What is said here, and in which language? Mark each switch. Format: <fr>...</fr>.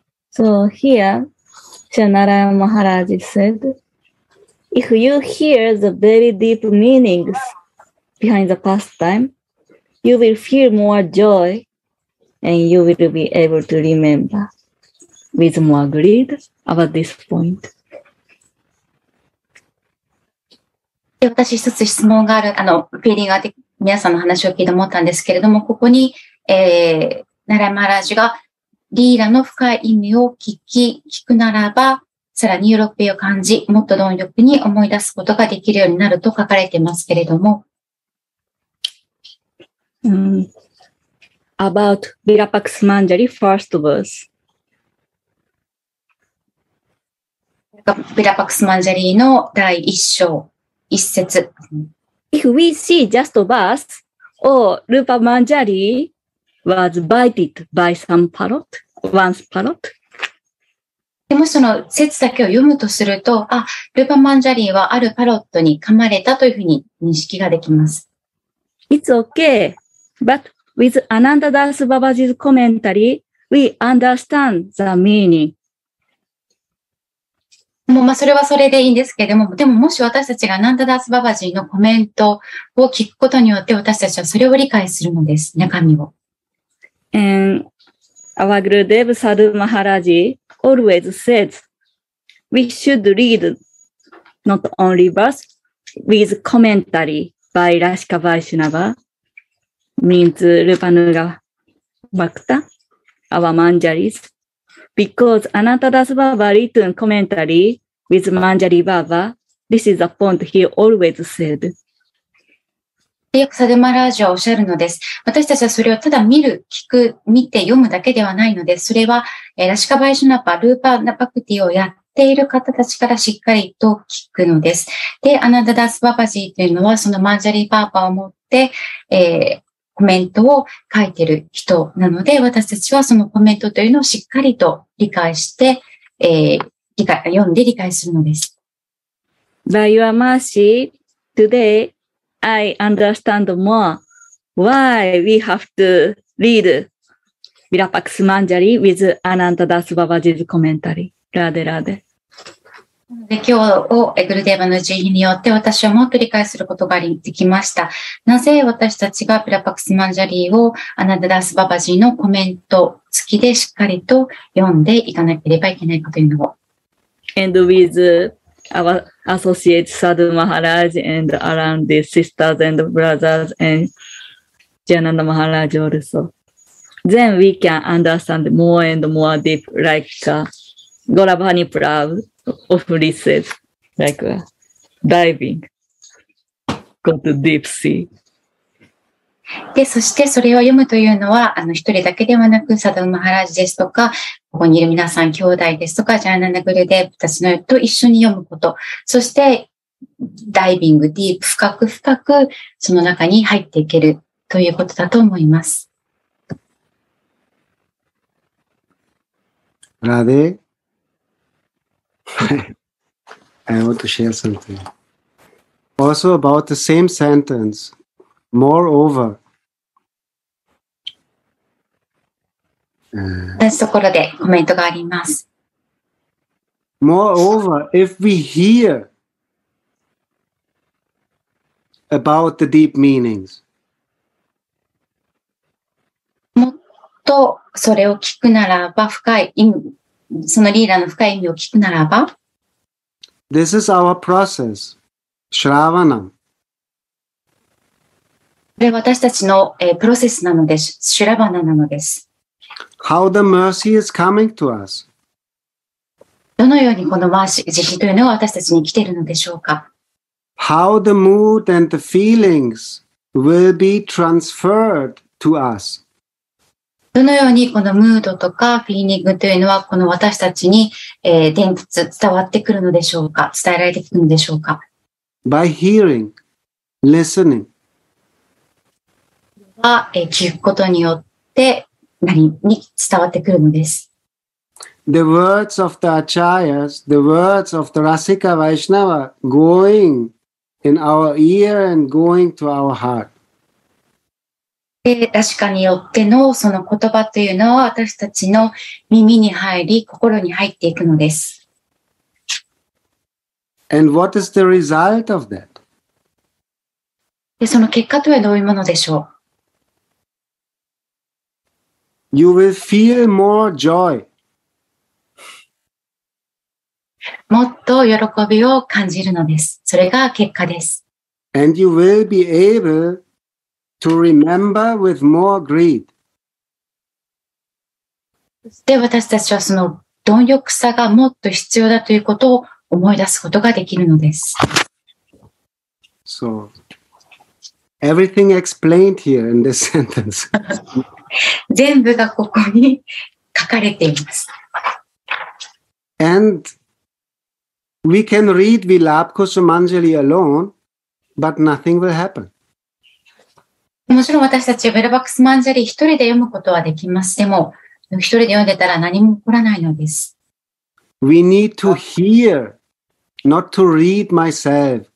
<en>So here, Shanarayan Maharaj said, if you hear the very deep meanings behind the pastime, you will feel more joy and you will be able to remember with more greed about this point.</en> <ja>私一つ質問がある、フィーリングで皆さんの話を聞いて思ったんですけれども、ここに、ナラマラージュが、リーラの深い意味を聞くならば、さらに喜びを感じ、もっと貪欲に思い出すことができるようになると書かれてますけれども。</ja> <en>About Virapaks Manjari first verse.</en> <ja>Virapaks Manjari の第一章。</ja> <en>If we see just a verse, or Rupa Manjari was bited by some parrot, once parrot.</en> <ja>でもその節だけを読むとすると、あ、ルーパマンジャリーはあるパロットに噛まれたというふうに認識ができます。</ja> <en>It's okay, but with Ananda Das Babaji's commentary, we understand the meaning.</en> <ja>もうまあそれはそれでいいんですけれども、でももし私たちがナンダダースババジーのコメントを聞くことによって私たちはそれを理解するのです、中身を。</ja> <en>And our Guru Dev Sadhu Maharaj always says, we should read not only verse with commentary by Rashika Vaishnava, means Rupa Nuga Bhakta, our Manjaris, because Ananda Das Baba written commentaryWith Manjari Baba, this is a point he always said.</en> <ja>よくサドゥマハラージュはおっしゃるのです。私たちはそれをただ見る、聞く、見て読むだけではないのです。それは、ラシカバイシュナパ、ルーパーナパクティをやっている方たちからしっかりと聞くのです。で、アナダダスババジーというのは、そのマンジャリバーバーを持って、コメントを書いている人なので、私たちはそのコメントというのをしっかりと理解して、読んで理解するのです。</ja> <en>By your mercy, today I understand more why we have to read Virapaks Manjari with Ananda Das Babaji's commentary. Radhe Radhe.</en> <ja>で今日をエグルデーバの慈悲によって私はもっと理解することができました。なぜ私たちがVirapaks ManjariをAnanda Das Babaji のコメント付きでしっかりと読んでいかなければいけないかというのを。</ja> <en>And with our associate Sadhu Maharaj and around the sisters and brothers and Jananda Maharaj also. Then we can understand more and more deep like Golabhani Prabhu often says, like diving, go to deep sea.</en> <ja>で、そしてそれを読むというのは、一人だけではなく、サドウマハラジですとか、ここにいる皆さん、兄弟ですとか、ジャーナナグルデープたちのと一緒に読むこと。そして、ダイビング、ディープ、深く深く、その中に入っていけるということだと思います。</ja> <en>ラデ I want to share something. Also about the same sentence. Moreover, Moreover, if we hear about the deep meanings,</en> <ja>もっとそれを聞くならば深い意味、そのリーダーの深い意味を聞くならば、</ja> <en>This is our process, Shravana.</en> <ja>これは私たちの、プロセスなのです。シュラバナなのです。</ja> <en>How the mercy is coming to us?</en> <ja>どのようにこの慈悲というのは私たちに来ているのでしょうか。</ja> <en>How the mood and the feelings will be transferred to us.</en> <ja>どのようにこのムードとかフィーリングというのはこの私たちに、伝達伝わってくるのでしょうか。伝えられてくるのでしょうか。</ja> <en>By hearing, listening.</en> <ja>は、聞くことによって何に伝わってくるのです。</ja> <en>The words of the Acharyas, the words of the Rasika Vaishnava going in our ear and going to our heart.</en> <ja>ラシカによってのその言葉というのは私たちの耳に入り心に入っていくのです。</ja> <en>And what is the result of that?</en> <ja>で、その結果とはどういうものでしょう?</ja> <en>You will feel more joy.</en> <ja>もっと喜びを感じるのです。それが結果です。</ja> <en>And you will be able to remember with more greed.</en> <ja>そして私たちはその貪欲さがもっと必要だということを思い出すことができるのです。</ja> <en>So, everything explained here in this sentence.</en> <ja>全部がここに書かれています。</ja> <en>AndWe can read Vilapko Sumanjali alone, but nothing will happen.</en> <ja>もちろん私たちはヴィラヴァクスマンジャリ一人で読むことはできます。でも、一人で読んでたら何も起こらないのです。</ja> <en>We need to hear, not to read myself.</en>